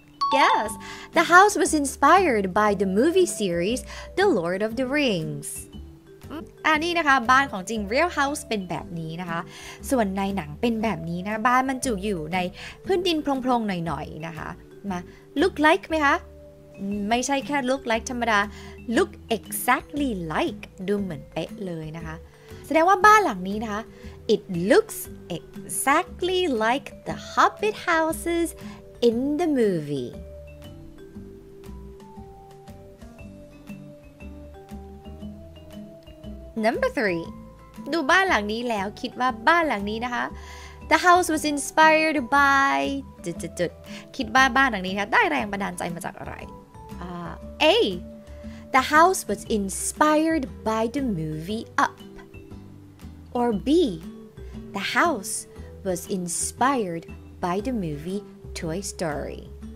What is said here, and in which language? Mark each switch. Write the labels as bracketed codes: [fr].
[en] Yes, the house was inspired by the movie series The Lord of the Rings. [th] อันนี้นะคะบ้านของจริง Real House เป็นแบบนี้นะคะส่วนในหนังเป็นแบบนี้นะบ้านมันจุอยู่ในพื้นดินโพรงๆหน่อยๆนะคะมา look like ไหมคะไม่ใช่แค่ look like ธรรมดา look exactly like ดูเหมือนเป๊ะเลยนะคะแสดงว่าบ้านหลังนี้นะคะ [en] it looks exactly like the hobbit houses in the movie [th] number 3 ดูบ้านหลังนี้แล้วคิดว่าบ้านหลังนี้นะคะ [en] the house was inspired by [th] จุดๆคิดว่าบ้านหลังนี้นะคะได้แรงบันดาลใจมาจากอะไรA. [en] The house was inspired by the movie Up. Or B. The house was inspired by the movie Toy Story.